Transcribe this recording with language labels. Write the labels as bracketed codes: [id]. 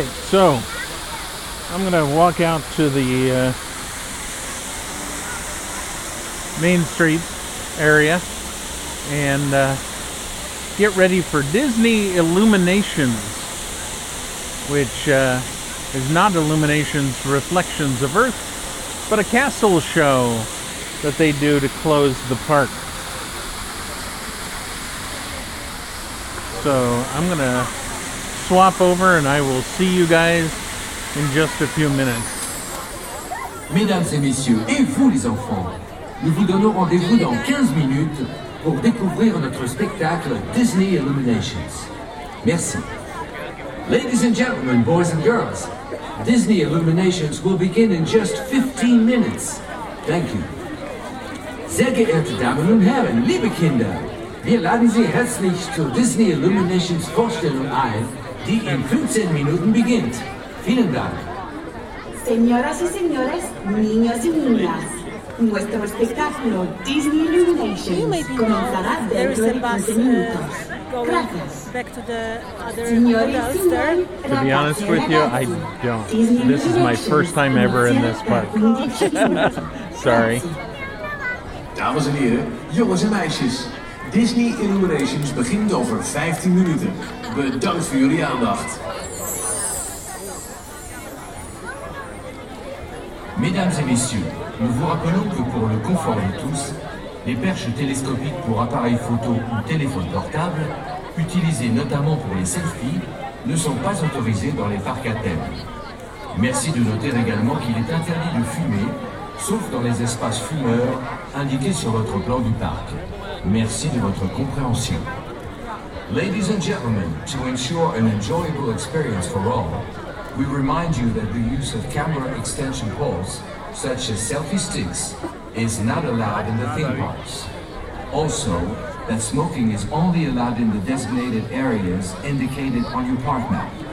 [en] So, I'm going to walk out to the Main Street area and get ready for Disney Illuminations, which is not Illuminations, Reflections of Earth, but a castle show that they do to close the park. So, I'm going to swap over and I will see you guys in just a few minutes. [fr] Mesdames et messieurs, et vous les enfants, nous vous donnons rendez-vous dans 15 minutes pour découvrir notre spectacle Disney Illuminations. Merci. [en] Ladies and gentlemen, boys and girls, Disney Illuminations will begin in just 15 minutes. Thank you. [de] Sehr geehrte Damen und Herren, liebe Kinder, wir laden Sie herzlich zur Disney Illuminations Vorstellung ein, die in 15 Minuten beginnt. Vielen Dank. [es] Señoras y señores, niños y niñas, nuestro espectáculo Disney Illuminations comenzará dentro de 15 minutos. [en] To be honest with you, I don't. This is my first time ever in this park. Sorry. [nl] Dames en heren, jongens en meisjes, Disney Illuminations begint over 15 minuten. Bedankt voor jullie aandacht. [fr] Mesdames et messieurs, nous vous rappelons que pour le confort de tous, les perches télescopiques pour appareils photo ou téléphone portable utilisés notamment pour les selfies, ne sont pas autorisés dans les parcs à thème. Merci de noter également qu'il est interdit de fumer, sauf dans les espaces fumeurs indiqués sur votre plan du parc. Merci de votre compréhension. [en] Ladies and gentlemen, to ensure an enjoyable experience for all, we remind you that the use of camera extension cords, such as selfie sticks, is not allowed in the theme parks. Also, that smoking is only allowed in the designated areas indicated on your park map.